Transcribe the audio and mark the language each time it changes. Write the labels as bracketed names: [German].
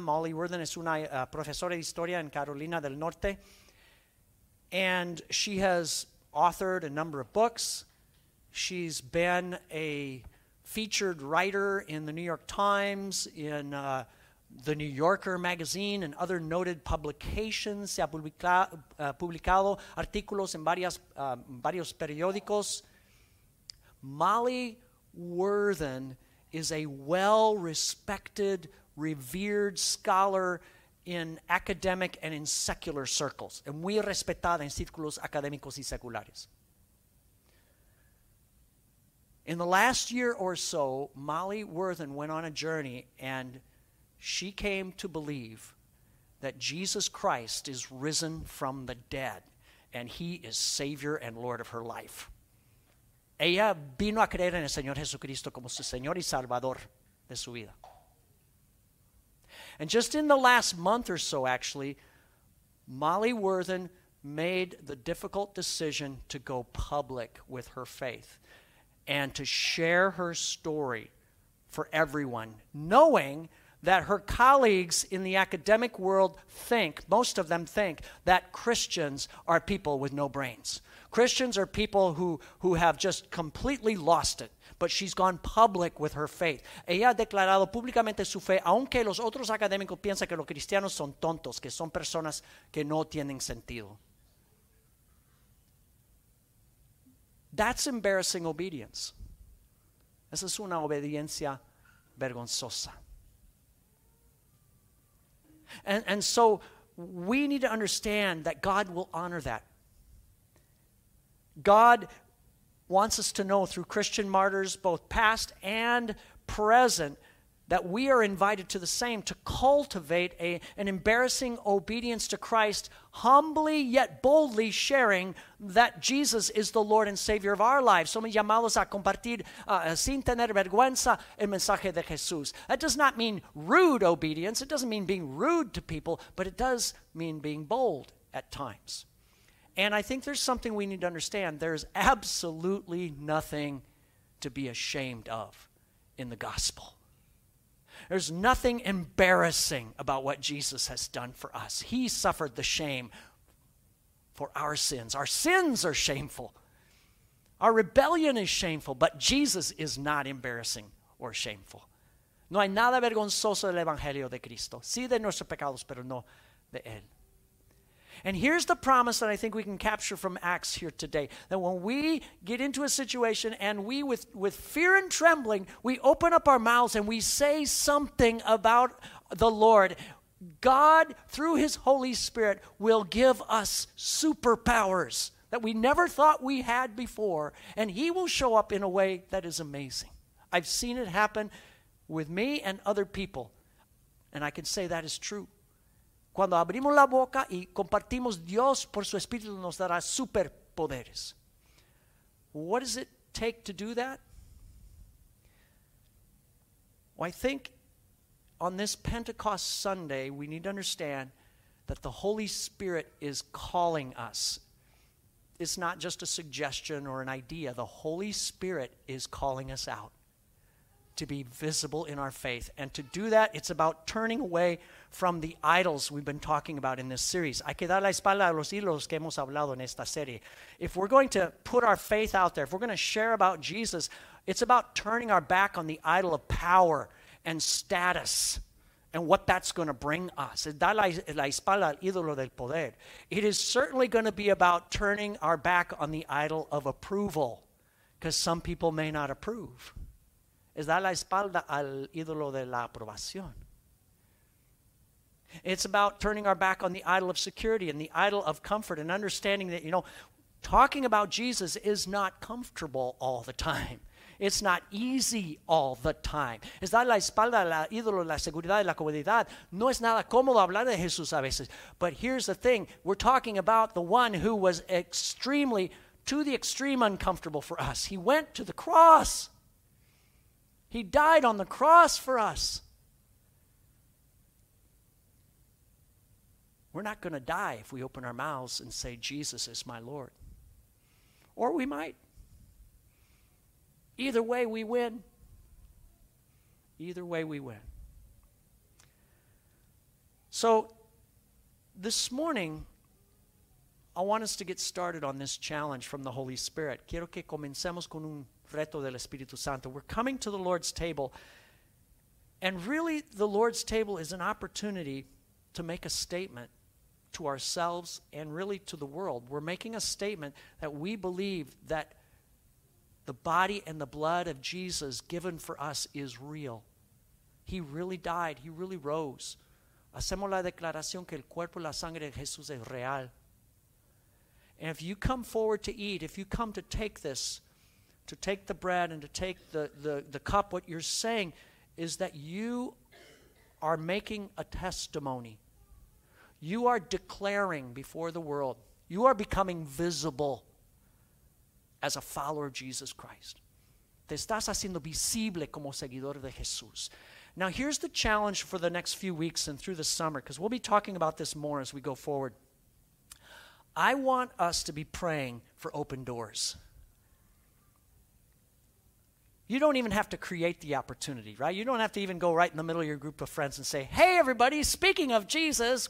[Spanish] Molly Worthen es una profesora de historia en Carolina del Norte. [English] And she has authored a number of books. She's been a featured writer in the New York Times, in the New Yorker magazine, and other noted publications. [Spanish] Se ha publicado artículos en varios periódicos. [English] Molly Worthen is a well-respected, revered scholar in academic and in secular circles, and [Spanish] muy respetada en círculos académicos y seculares. [English] In the last year or so, Molly Worthen went on a journey, and she came to believe that Jesus Christ is risen from the dead, and he is Savior and Lord of her life. [Spanish] Ella vino a creer en el Señor Jesucristo como su Señor y Salvador de su vida. [English] And just in the last month or so, actually, Molly Worthen made the difficult decision to go public with her faith and to share her story for everyone, knowing that her colleagues in the academic world think, most of them think, that Christians are people with no brains. Christians are people who have just completely lost it. But she's gone public with her faith. [Spanish] Ella ha declarado públicamente su fe, aunque los otros académicos piensan que los cristianos son tontos, que son personas que no tienen sentido. [English] That's embarrassing obedience. [Spanish] Esa es una obediencia vergonzosa. [English] And so we need to understand that God will honor that. God wants us to know through Christian martyrs, both past and present, that we are invited to the same, to cultivate an embarrassing obedience to Christ, humbly yet boldly sharing that Jesus is the Lord and Savior of our lives. [Spanish] Somos llamados a compartir sin tener vergüenza el mensaje de Jesús. [English] That does not mean rude obedience. It doesn't mean being rude to people, but it does mean being bold at times. And I think there's something we need to understand. There's absolutely nothing to be ashamed of in the gospel. There's nothing embarrassing about what Jesus has done for us. He suffered the shame for our sins. Our sins are shameful. Our rebellion is shameful, but Jesus is not embarrassing or shameful. [Spanish] No hay nada vergonzoso del Evangelio de Cristo. Sí de nuestros pecados, pero no de Él. [English] And here's the promise that I think we can capture from Acts here today, that when we get into a situation and we, with fear and trembling, we open up our mouths and we say something about the Lord, God, through his Holy Spirit, will give us superpowers that we never thought we had before, and he will show up in a way that is amazing. I've seen it happen with me and other people, and I can say that is true. [Spanish] Cuando abrimos la boca y compartimos, Dios por su Espíritu nos dará superpoderes. [English] What does it take to do that? Well, I think on this Pentecost Sunday, we need to understand that the Holy Spirit is calling us. It's not just a suggestion or an idea. The Holy Spirit is calling us out to be visible in our faith. And to do that, it's about turning away from the idols we've been talking about in this series. [Spanish] Hay que dar la espalda a los ídolos que hemos hablado en esta serie. [English] If we're going to put our faith out there, if we're going to share about Jesus, it's about turning our back on the idol of power and status and what that's going to bring us. [Spanish] Dar la espalda al ídolo del poder. [English] It is certainly going to be about turning our back on the idol of approval, because some people may not approve. [Spanish] Es dar la espalda al ídolo de la aprobación. [English] It's about turning our back on the idol of security and the idol of comfort and understanding that, you know, talking about Jesus is not comfortable all the time. It's not easy all the time. [Spanish] Es dar la espalda al ídolo de la seguridad y la comodidad. No es nada cómodo hablar de Jesús a veces. [English] But here's the thing. We're talking about the one who was extremely, to the extreme, uncomfortable for us. He went to the cross. He died on the cross for us. We're not going to die if we open our mouths and say, Jesus is my Lord. Or we might. Either way, we win. Either way, we win. So, this morning, I want us to get started on this challenge from the Holy Spirit. [Spanish] Quiero que comencemos con un reto del Espíritu Santo. [English] We're coming to the Lord's table, and really, the Lord's table is an opportunity to make a statement to ourselves and really to the world. We're making a statement that we believe that the body and the blood of Jesus given for us is real. He really died. He really rose. [Spanish] Hacemos la declaración que el cuerpo y la sangre de Jesús es real. [English] And if you come forward to eat, if you come to take this, to take the bread and to take the cup, what you're saying is that you are making a testimony. You are declaring before the world. You are becoming visible as a follower of Jesus Christ. [Spanish] Te estás haciendo visible como seguidor de Jesús. [English] Now, here's the challenge for the next few weeks and through the summer, because we'll be talking about this more as we go forward. I want us to be praying for open doors. You don't even have to create the opportunity, right? You don't have to even go right in the middle of your group of friends and say, hey, everybody, speaking of Jesus.